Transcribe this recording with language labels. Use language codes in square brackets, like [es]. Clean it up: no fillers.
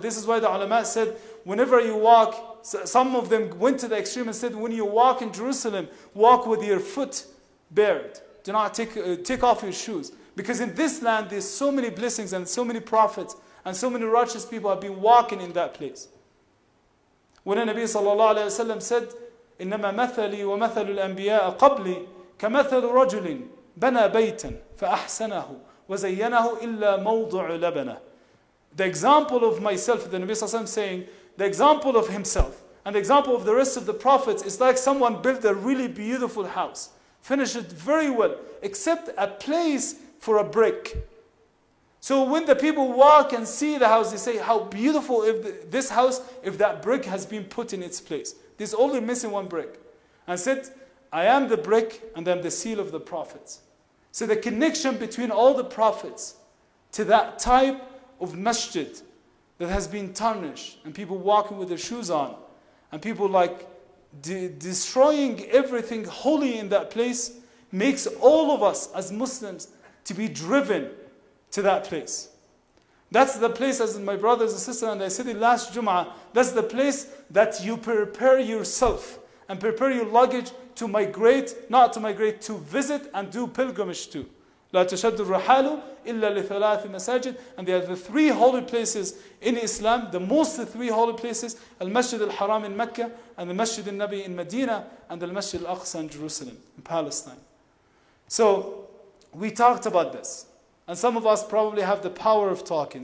[en] This is why the ulama said, whenever you walk, some of them went to the extreme and said, when you walk in Jerusalem, walk with your foot bared. Do not take off your shoes. Because in this land, there's so many blessings and so many prophets and so many righteous people have been walking in that place. When the Nabi sallallahu alayhi wa sallam said, [ar] إِنَّمَا مَثَلِي وَمَثَلُ الْأَنْبِيَاءَ قَبْلِي كَمَثَلُ رَجُلٍ بَنَى بَيْتًا فَأَحْسَنَهُ وَزَيَّنَهُ إِلَّا مَوْضُعُ لَبَنَهُ. [en] The example of myself, the Nabi sallallahu alayhi wa sallam saying, the example of himself and the example of the rest of the prophets is like someone built a really beautiful house, finished it very well, except a place for a brick. So when the people walk and see the house, they say, how beautiful if this house, if that brick has been put in its place. There's only missing one brick. And said, I am the brick and I'm the seal of the prophets. So the connection between all the prophets to that type of masjid that has been tarnished, and people walking with their shoes on, and people like destroying everything holy in that place, makes all of us as Muslims to be driven to that place. That's the place, as my brothers and sisters, and I said it last Jum'ah, that's the place that you prepare yourself and prepare your luggage to migrate, not to migrate, to visit and do pilgrimage to. [ar] لا تشد الرحال إلا لثلاث مساجد. [en] And there are the three holy places in Islam, the most three holy places, Al-Masjid Al-Haram in Mecca, and the Masjid Al-Nabi in Medina, and Al-Masjid Al-Aqsa in Jerusalem, in Palestine. So we talked about this. And some of us probably have the power of talking.